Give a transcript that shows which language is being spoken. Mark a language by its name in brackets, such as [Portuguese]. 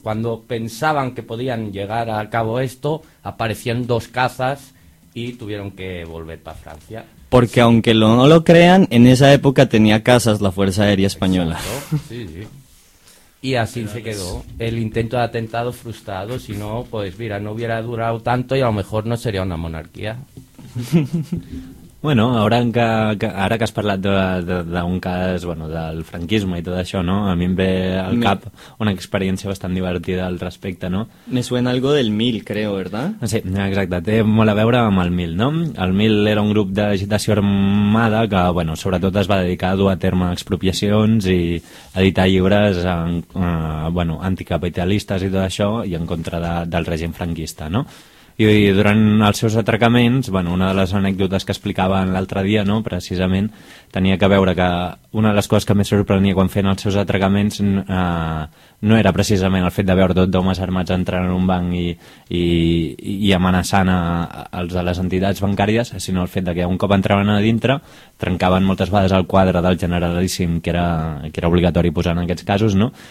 [Spanish] Cuando pensaban que podían llegar a cabo esto, aparecían dos cazas y tuvieron que volver para Francia. Porque sí, aunque no lo crean, en esa época tenía cazas la Fuerza Aérea Española. Exacto. Sí, sí. Y así se quedó el intento de atentado frustrado. Si no, pues mira, no hubiera durado tanto y a lo mejor no sería una monarquía. [Catalan] Bueno, ara que has parlat d'un cas, bueno, del franquisme i tot això, no? A mi em ve al cap una experiència bastant divertida al respecte, no? [Spanish] Me suena algo del Mil, creo, ¿verdad? [Catalan] Sí, exacte, té molt a veure amb el Mil, no? El Mil era un grup d'agitació armada que, bueno, sobretot es va dedicar a dur a terme expropiacions i editar llibres anticapitalistes i tot això i en contra del règim franquista, no? I durant els seus atracaments, bueno, una de les anècdotes que explicava l'altre dia, no, precisament, tenia que veure que una de les coses que més sorprenia quan feien els seus atracaments no era precisament el fet de veure tot d'homes armats entrant en un banc i amenaçant els de les entitats bancàries, sinó el fet de que un cop entraven a dintre, trencaven moltes vegades el quadre del generalíssim que era obligatori posar en aquests casos, no?